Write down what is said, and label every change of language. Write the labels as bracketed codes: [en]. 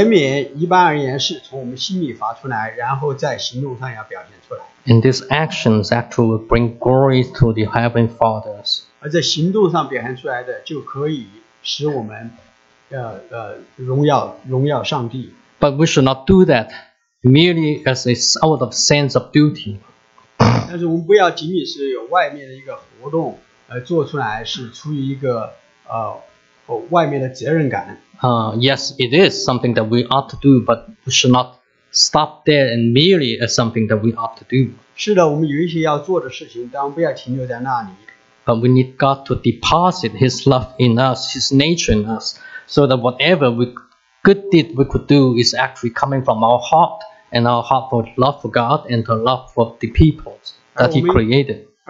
[zh] 怜悯一般而言是从我们心里发出来, 然后在行动上要表现出来。 [en] And these actions actually will bring glory to the Heavenly Fathers. [zh] 而在行动上表现出来的就可以使我们, 荣耀上帝。 [en] But we should not do that merely as a out of sense of duty. [zh] 但是我们不要仅仅是有外面的一个活动, 做出来是出于一个, 外面的责任感。 [en] Yes, it is something that we ought to do, but we should not stop there and merely as something that we ought to do. [zh] 是的, 我们有一些要做的事情, 当然不要停留在那里。 [en] But we need God to deposit His love in us, His nature in us, so that whatever we good deed we could do is actually coming from our heart, and our heart for love for God and the love for the peoples that He created.